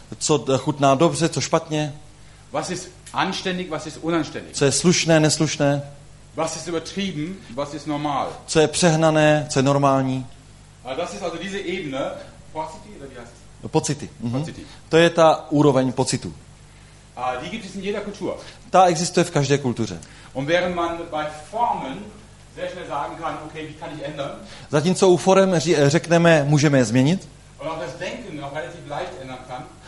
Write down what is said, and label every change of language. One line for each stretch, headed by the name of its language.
Czech: Co chutná dobře, co špatně.
German: Was ist anständig, was ist unanständig?
Czech: Co je slušné, neslušné?
German: Was ist übertrieben, was ist normal?
Czech: Co je přehnané, co je normální?
German: A das ist also diese Ebene, pocity, oder wie heißt es?
Czech: Pocity. Mhm. Pocity. To je ta úroveň pocitu.
German: A die gibt es in jeder Kultur.
Czech: Ta existuje v každé kultuře.
German: Und während man bei Formen sehr schnell sagen kann, okay, wie kann ich ändern?
Czech: Zatímco u forem řekneme, můžeme je změnit.
German: Und auch das Denken auch relativ leicht ändern kann.